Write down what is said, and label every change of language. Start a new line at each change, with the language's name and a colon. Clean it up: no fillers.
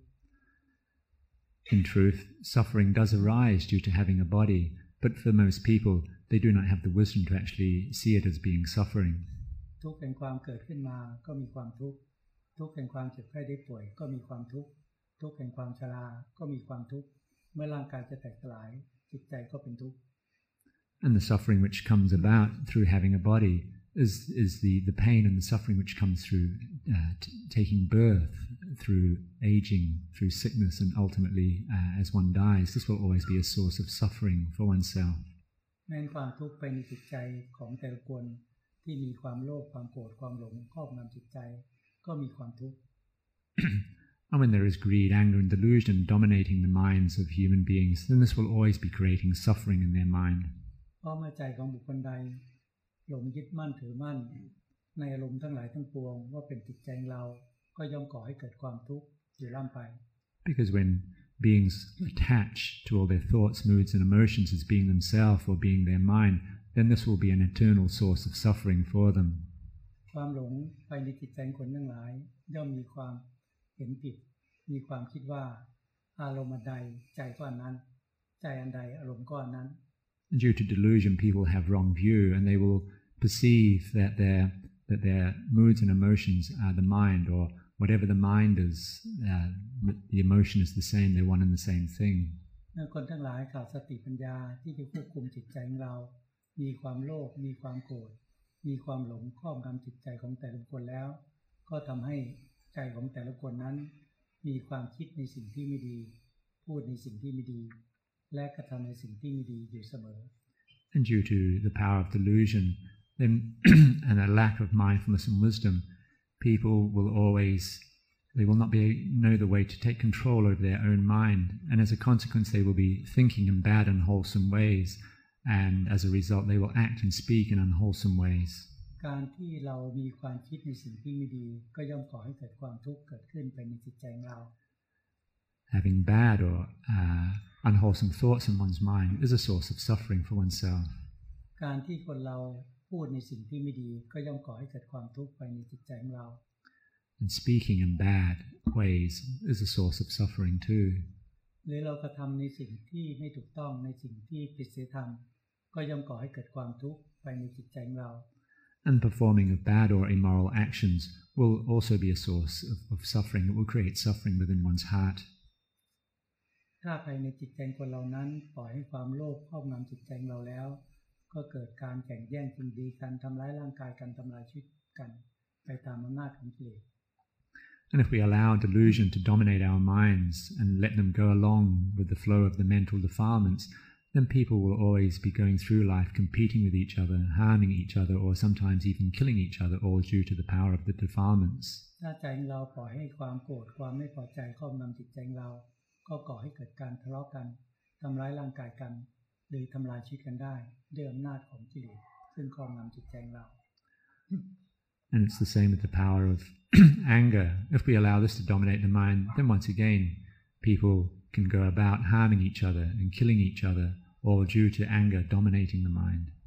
English: In truth suffering does arise due to having a body but for most people they do not have the wisdom to actually see it as being suffering
Thai: ทุกข์แห่งความเกิดขึ้นมาก็มีความทุกข์ทุกข์แห่งความเจ็บไข้ได้ป่วยก็มีความทุกข์ทุกข์แห่งความชราก็มีความทุกข์เมื่อร่างกายจะแตกสลายจิตใจก็เป็นทุกข์
English: And the suffering which comes about through having a body is the pain and the suffering which comes through taking birth, through aging, through sickness, and ultimately as one dies, this will always be a source of suffering for oneself.
Thai: แม้ความทุกข์ภายในจิตใจของแต่ละคนที่มีความโลภความโกรธความหลงครอบงำจิตใจก็มีความทุกข์
English: And when there is greed, anger, and delusion dominating the minds of human beings, then this will always be creating suffering in their mind.
Thai: เพราะเมื่อใจของบุคคลใดหลงยึดมั่นถือมั่นในอารมณ์ทั้งหลายทั้งปวงว่าเป็นจิตใจเราก็ย่อมก่อให้เกิดความทุกข์อยู่ล่ำไป
English: Because when beings attach to all their thoughts, moods, and emotions as being themselves or being their mind, then this will be an eternal source of suffering for them.
Thai: ความหลงไปในจิตใจคนทั้งหลายย่อมมีความเห็นผิดมีความคิดว่าอารมณ์ใดใจก้อนนั้นใจอันใดอารมณ์ก้อนนั้น
English: Due to delusion, people have wrong view, and they will perceive that their moods and emotions are the mind, or whatever the mind is, the emotion is the same. They're one and the same thing.
Thai: คนทั้งหลายขาดสติปัญญาที่จะควบคุมจิตใจของเรามีความโลภมีความโกรธมีความหลงครอบงำจิตใจของแต่ละคนแล้วก็ทำให้ใจของแต่ละคนนั้นมีความคิดในสิ่งที่ไม่ดีพูดในสิ่งที่ไม่ดีและกระทำในสิ่งที่ไม่ดีอยู่เสมอ
English: And due to the power of delusion then and a lack of mindfulness and wisdom people will always they will not be know the way to take control over their own mind and as a consequence they will be thinking in bad and unwholesome ways and as a result they will act and speak in unwholesome ways
Thai: การที่เรามีความคิดในสิ่งที่ไม่ดีก็ย่อมก่อให้เกิดความทุกข์เกิดขึ้นไปในจิตใจเรา
English: having bad orunwholesome thoughts in one's mind is a source of suffering for oneself.
Thai: การที่คนเราพูดในสิ่งที่ไม่ดีก็ย่อมก่อให้เกิดความทุกข์ภายในจิตใจของเรา
English: And speaking in bad ways is a source of suffering too.
Thai: หรือเรากระทำในสิ่งที่ไม่ถูกต้องในสิ่งที่ผิดศีลธรรมก็ย่อมก่อให้เกิดความทุกข์ภายในจิตใจของเรา
English: And performing of bad or immoral actions will also be a source of suffering. It will create suffering within one's heart.
Thai: ถ้าภายในจิตใจคนเรานั้นปล่อยให้ความโลภครอบงำจิตใจเราแล้วก็เกิดการแข่งแย่งชิงดีกันทำร้ายร่างกายกันทำลายชีวิตกันไปตามอำนาจของกิเลส
English: And if we allow delusion to dominate our minds and let them go along with the flow of the mental defilements, then people will always be going through life competing with each other, harming each other, or sometimes even killing each other, all due to the power of the defilements.
Thai: ถ้าใจเราปล่อยให้ความโกรธความไม่พอใจครอบงำจิตใจเราก็ก่อให้เกิดการทะเลาะกันทำร้ายร่างกายกันหรือทำลายชีวิตกันได้ด้วยอำนาจของกิเลสซึ่งครอบงำจิตใจเรา
English: And it's the same with the power of anger. If we allow this to dominate the mind, then once again, people can go about harming each other and killing each other, all due to anger dominating the mind.